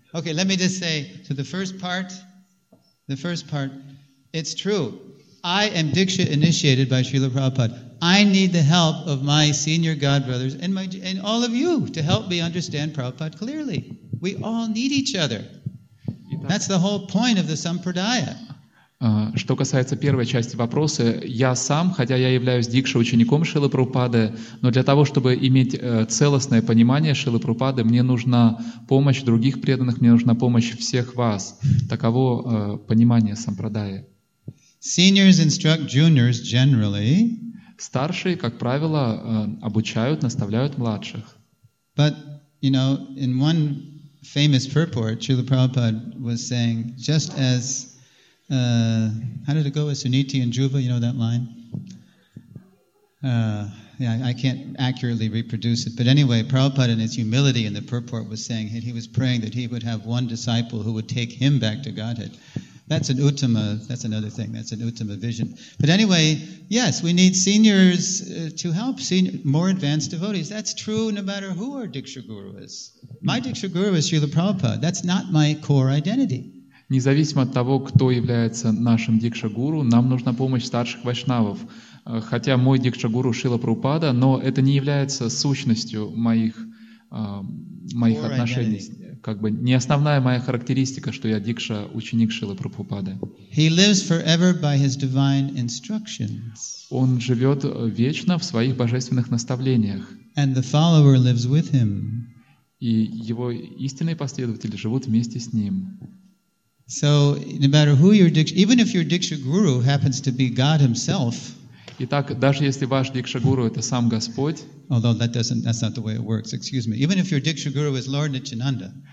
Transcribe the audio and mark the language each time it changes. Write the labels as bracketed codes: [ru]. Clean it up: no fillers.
[en] Okay, let me just say to the first part, it's true. I am diksha initiated by Śrīla Prabhupāda. I need the help of my senior godbrothers and all of you to help me understand Prabhupāda clearly. We all need each other. That's the whole point of the sampradaya. [ru] Что касается первой части вопроса, я сам, хотя я являюсь дикша-учеником Шрилы Прабхупады, но для того, чтобы иметь целостное понимание Шрилы Прабхупады, мне нужна помощь других преданных, мне нужна помощь всех вас. Таково понимание сампрадая. [en] Seniors instruct juniors generally. [ru] Старшие, как правило, обучают, наставляют младших. [en] But, you know, in one famous purport, Srila Prabhupada was saying, just as, how did it go with Suniti and Juva, you know that line? Yeah, I can't accurately reproduce it. But anyway, Prabhupada in his humility in the purport was saying that he was praying that he would have one disciple who would take him back to Godhead. That's an uttama, that's another thing, that's an uttama vision. But anyway, yes, we need seniors to help, more advanced devotees. That's true no matter who our Diksha Guru is. My Diksha Guru is Srila Prabhupada. That's not my core identity. [ru] Независимо от того, кто является нашим Дикша Гуру, нам нужна помощь старших вайшнавов. Хотя мой Дикша Гуру Шрила Прабхупада, но это не является сущностью моих отношений. Как бы не основная моя характеристика, что я Дикша, ученик Шрилы Прабхупады. [en] He lives forever by his divine instructions. [ru] Он живет вечно в своих божественных наставлениях. [en] And the follower lives with him. [ru] И его истинные последователи живут вместе с ним. [en] So, no matter who your Diksha, even if your Diksha Guru happens to be God himself, [ru] Итак, даже если ваш Дикша Гуру это сам Господь, [en] although that's not the way it works, excuse me, even if your Diksha Guru is Lord Nityananda,